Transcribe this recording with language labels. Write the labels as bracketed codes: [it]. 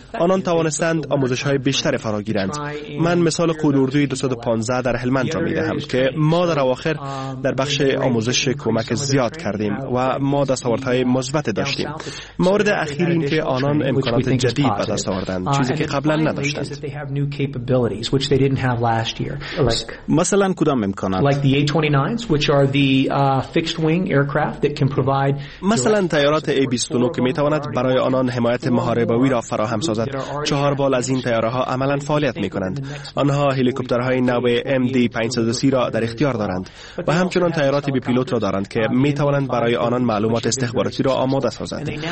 [fa] آنان توانستند آموزش‌های بیشتر فرا گیرند. من مثال قول اردوی 215 در هلمند را می‌دهم که ما در اواخر در بخش آموزش کمک زیاد کردیم و ما دستاوردهای مثبت داشتیم. مورد اخیر این که آنان امکانات جدید به دست آوردند، چیزی که قبلا نداشتند. [en] New capabilities which they didn't have last year. [fa] مثلاً کدام امکانات؟ [en] Like the A-29s, which are the fixed-wing aircraft that can provide. [fa] مثلاً تیارات A-29 که می‌تواند برای آنان حمایت محارباوی را فراهم سازد. چهار بال از این تیارها عملاً فعالیت می‌کنند. آنها هلیکوپترهای نو MD-530 را در اختیار دارند و همچنان تیارات بی‌پیلوت را دارند که می‌توانند برای آنان معلومات استخباراتی را آماده سازند.